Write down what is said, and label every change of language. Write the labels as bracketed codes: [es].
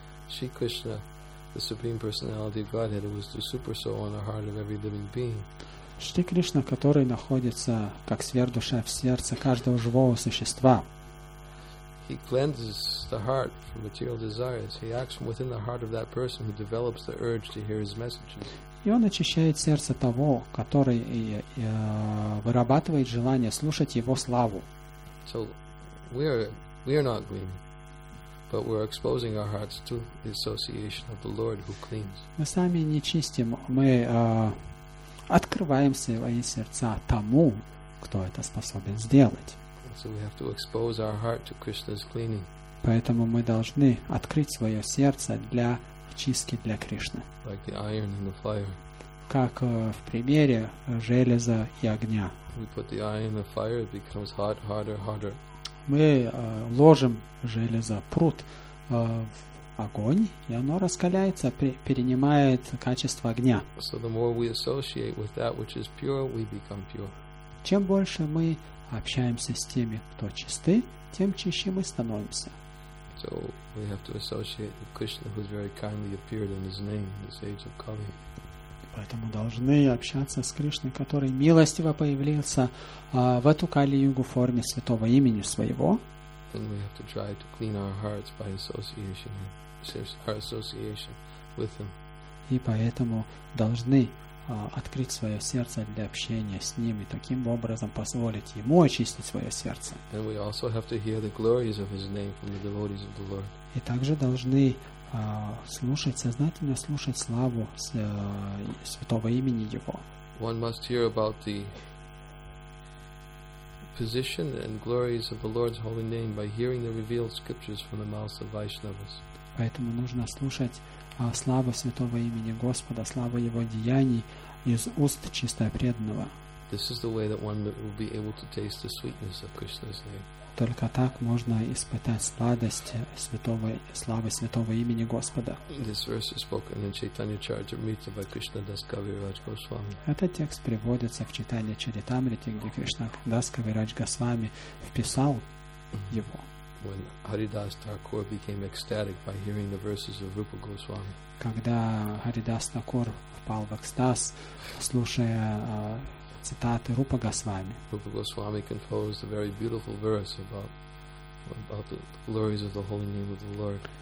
[en] Shri Krishna, the Supreme Personality of Godhead, who is the Super Soul in the heart of every living being. [ru] Шри Кришна, который находится как сверхдуша в сердце каждого живого существа. [en] He cleanses the heart from material desires. He acts from within the heart of that person who develops the urge to hear his messages. [ru] И он очищает сердце того, который вырабатывает желание слушать его славу. [en] So we are not clean, but we're exposing our hearts to the association of the Lord who cleans. [ru] Мы сами не чистим, мы открываем свои сердца тому, кто это способен сделать. [en] So we have to expose our heart to Krishna's cleaning. [ru] Поэтому мы должны открыть свое сердце для чистки для Кришны. [en] Like the iron and the fire. [ru] Как в примере железа и огня. [en] We put the iron in the fire, it becomes hot, harder, harder. [ru] Мы ложим железо, прут в огонь, и оно раскаляется, перенимает качество огня. [en] So the more we associate with that which is pure, we become pure. [ru] Чем больше мы общаемся с теми, кто чисты, тем чище мы становимся. [en] So we have to associate with Krishna, who has very kindly appeared in his name in this age of Kali. [ru] Поэтому должны общаться с Кришной, который милостиво появился в эту Кали-югу в форме святого имени своего. [en] Then we have to try to clean our hearts by association, our association with him. [ru] И поэтому должны открыть свое сердце для общения с ним и таким образом позволить ему очистить свое сердце. [en] And we also have to hear the glories of his name from the devotees of the Lord. [ru] И также должны слушать, сознательно слушать славу святого имени Его. [en] One must hear about the position and glories of the Lord's holy name by hearing the revealed scriptures from the mouths of Vaishnavas. [ru] Поэтому нужно слушать славу святого имени Господа, славу Его деяний из уст чисто преданного. [en] This is the way that one will be able to taste the sweetness of Krishna's name. [ru] Только так можно испытать сладость святого, славы святого имени Господа. [en] This verse is spoken in Chaitanya Charitamrita by Krishna Das Kaviraj Goswami. [ru] Этот текст приводится в Чайтанья Чаритамрите, где Кришна Дас Кавирадж Госвами вписал его. [en] When Haridas Thakur became ecstatic by hearing the verses of Rupa Goswami. [ru] Когда Haridas Thakur впал в экстаз, слушая цитаты Рупа Госвами. [en] Rupa Goswami composed a very beautiful verse about the glories of the holy name of the Lord.